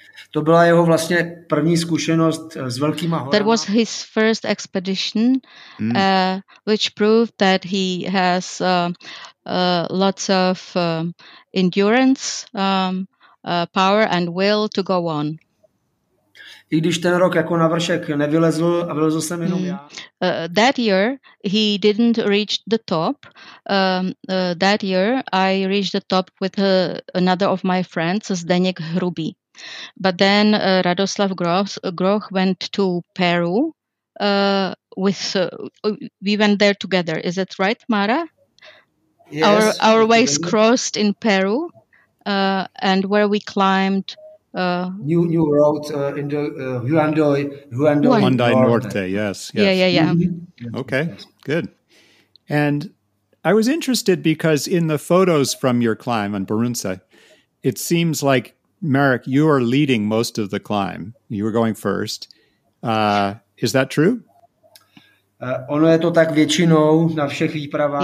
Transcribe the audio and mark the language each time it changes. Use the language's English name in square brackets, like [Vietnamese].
[Czech] To byla jeho vlastně první zkušenost s velkýma horama. [English] That was his first expedition, which proved that he has lots of endurance, power and will to go on. [Czech] I když ten rok jako na vršek nevylezl a vylezl jsem jenom já. [English] That year he didn't reach the top. That year I reached the top with another of my friends, Zdeněk Hrubý. But then Radoslav Groh went to Peru with we went there together. Is that right, Mara? Yes. Our ways crossed in Peru and where we climbed New road in the Huandai Norte. Yes. Yeah. Mm-hmm. Okay. Good. And I was interested because in the photos from your climb on Baruntse, it seems like Marek, you are leading most of the climb. You were going first. Is that true? [Czech] Ono je to tak většinou na všech výpravách.